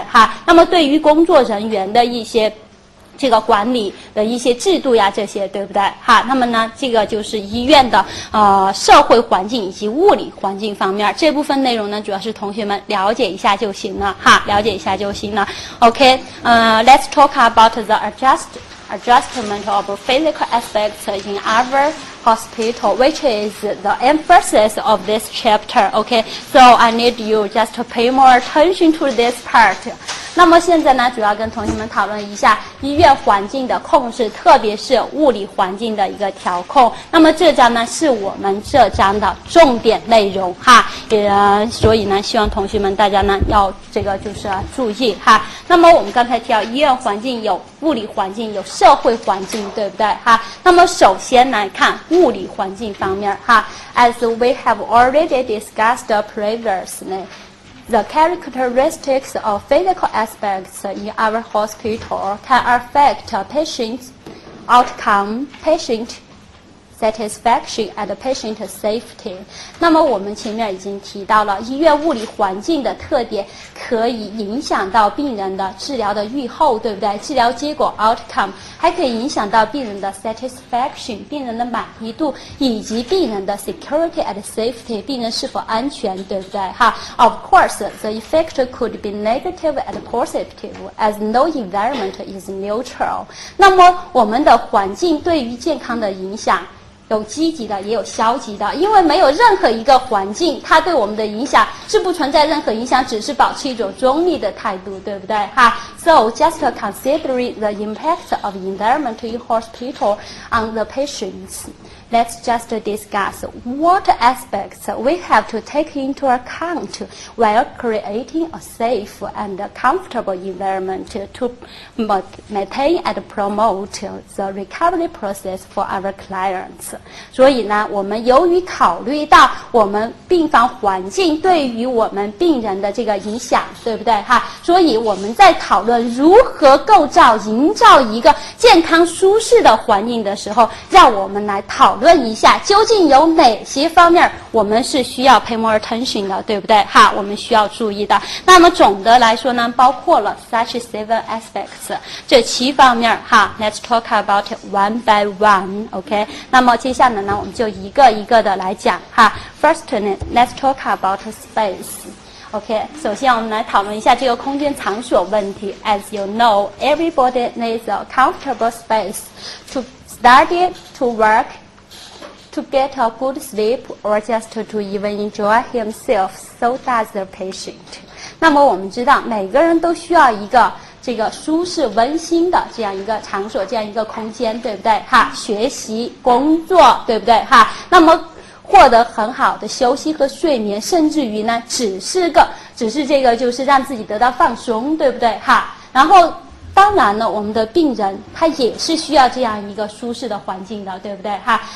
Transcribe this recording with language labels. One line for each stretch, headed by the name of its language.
Chinese: 哈，那么对于工作人员的一些这个管理的一些制度呀，这些对不对哈？那么呢，这个就是医院的社会环境以及物理环境方面这部分内容呢，主要是同学们了解一下就行了哈，了解一下就行了。
English: OK， Let's talk about the adjustment of physical aspects in our hospital, which is the emphasis of this chapter. OK, so I need you just to pay more attention to this part.
Chinese: 那么现在呢，主要跟同学们讨论一下医院环境的控制，特别是物理环境的一个调控。那么这章呢，是我们这章的重点内容哈。所以呢，希望同学们大家呢要这个就是注意哈。那么我们刚才提到，医院环境有物理环境，有社会环境，对不对哈？那么首先来看物理环境方面哈。
English: As we have already discussed previously. The characteristics of physical aspects in our hospital can affect patient's outcome, patient satisfaction, and patient safety.
Chinese: 那么我们前面已经提到了，医院物理环境的特点可以影响到病人的治疗的预后，对不对？治疗结果 outcome 还可以影响到病人的 satisfaction， 病人的满意度，以及病人的 security and safety，病人是否安全，对不对？
English: 哈 ，Of course, the effect could be negative and positive, as no environment is neutral.
Chinese: 那么我们的环境对于健康的影响，有积极的也有消极的，因为没有任何一个环境它对我们的影响是不存在任何影响，只是保持一种中立的态度，对不对哈？
English: So just considering the impact of environment in hospital on the patients, let's just discuss what aspects we have to take into account while creating a safe and comfortable environment to maintain and promote the recovery process for our clients.
Chinese: 所以呢，我们由于考虑到我们病房环境对于我们病人的这个影响，对不对哈？所以我们在讨论如何构造、营造一个健康舒适的环境的时候，让我们来讨论一下，究竟有哪些方面我们是需要 pay more attention 的，对不对哈？我们需要注意的。那么总的来说呢，包括了 such seven aspects 这七方面哈。
English: Let's talk about it one by one, OK?
Chinese: 那么接下来呢，我们就一个一个的来讲哈。
English: First, let's talk about space.
Chinese: OK, 首先我们来讨论一下这个空间场所问题。
English: As you know, everybody needs a comfortable space to study, to work, to get a good sleep, or just to even enjoy himself. So does the patient. 那么我们知道，每个人都需要一个
Chinese: 这个舒适温馨的这样一个场所，这样一个空间，对不对哈？学习工作，对不对哈？那么获得很好的休息和睡眠，甚至于呢只是就是让自己得到放松，对不对哈？然后当然呢，我们的病人他也是需要这样一个舒适的环境的，对不对哈？